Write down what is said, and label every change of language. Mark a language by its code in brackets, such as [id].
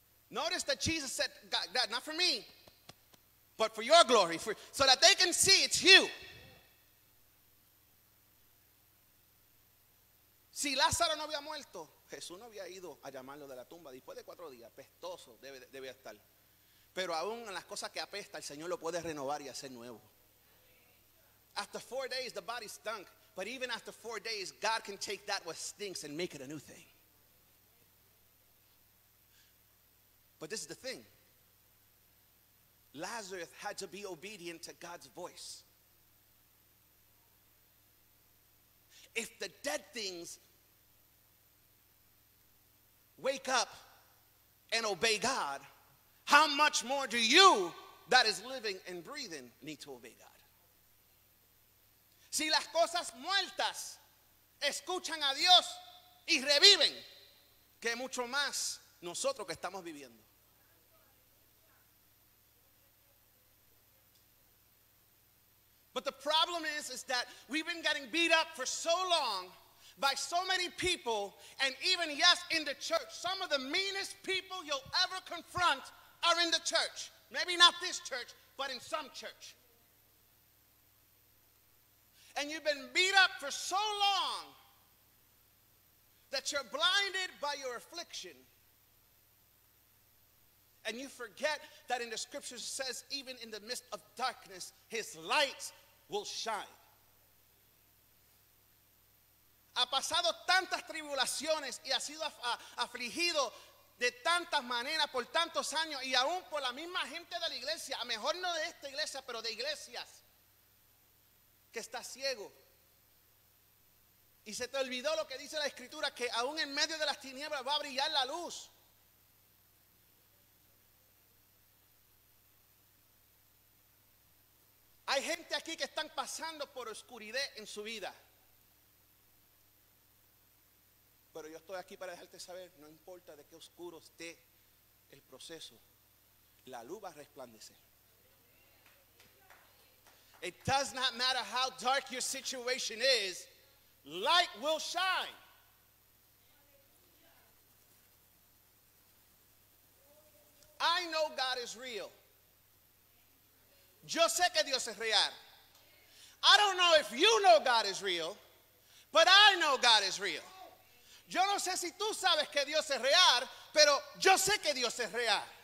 [en] Notice that Jesus said, God, not for me, but for your glory, so that they can see it's you. [es] Si Lázaro no había muerto, Jesús no había ido a llamarlo de la tumba después de 4 días. Apestoso debe estar. Pero aún en las cosas que apesta, el Señor lo puede renovar y hacer nuevo. [en] After 4 days, the body stunk. But even after 4 days, God can take that which stinks and make it a new thing. But this is the thing. Lazarus had to be obedient to God's voice. If the dead things wake up and obey God, how much more do you that is living and breathing need to obey God? [es] Si las cosas muertas escuchan a Dios y reviven, que mucho más nosotros que estamos viviendo. [en] But the problem is that we've been getting beat up for so long by so many people, and even, yes, in the church. Some of the meanest people you'll ever confront are in the church. Maybe not this church, but in some church. And you've been beat up for so long that you're blinded by your affliction. And you forget that in the scriptures it says, even in the midst of darkness, his light will shine. [es] Ha pasado tantas tribulaciones y ha sido afligido de tantas maneras por tantos años, y aún por la misma gente de la iglesia, a mejor no de esta iglesia, pero de iglesias, que está ciego. Y se te olvidó lo que dice la escritura, que aún en medio de las tinieblas va a brillar la luz. Hay gente aquí que están pasando por oscuridad en su vida. Pero yo estoy aquí para dejarte saber, no importa de qué oscuro esté el proceso, la luz va a resplandecer. [en] It does not matter how dark your situation is, light will shine. I know God is real. [es] Yo sé que Dios es real. [en] I don't know if you know God is real, but I know God is real. [es] Yo no sé si tú sabes que Dios es real, pero yo sé que Dios es real.